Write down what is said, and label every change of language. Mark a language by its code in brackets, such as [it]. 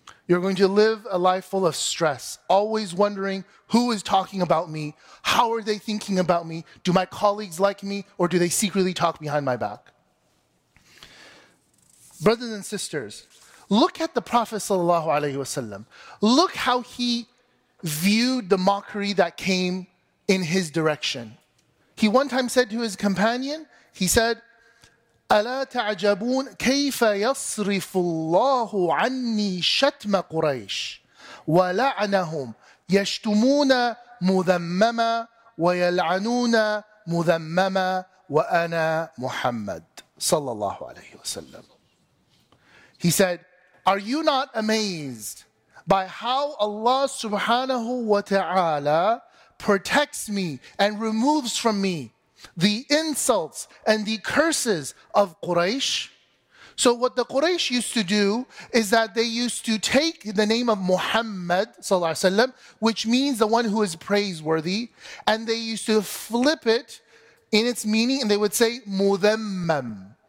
[en] You're going to live a life full of stress, always wondering who is talking about me, how are they thinking about me, do my colleagues like me, or do they secretly talk behind my back? Brothers and sisters, look at the Prophet sallallahu alaihi wasallam. Look how he viewed the mockery that came in his direction. He one time said to his companion, he said, [ar] أَلَا تَعْجَبُونَ كَيْفَ يَصْرِفُ اللَّهُ عَنِّي شَتْمَ قُرَيْشٍ وَلَعْنَهُمْ يَشْتُمُونَ مُذَمَّمًا وَيَلْعَنُونَ مُذَمَّمًا وَأَنَا مُحَمَّدٍ صلى الله عليه وسلم. [en] He said, are you not amazed by how Allah subhanahu wa ta'ala protects me and removes from me the insults and the curses of Quraysh? So what the Quraysh used to do is that they used to take the name of Muhammad, sallallahu alaihi wasallam, which means the one who is praiseworthy, and they used to flip it in its meaning, and they would say Mudhammam.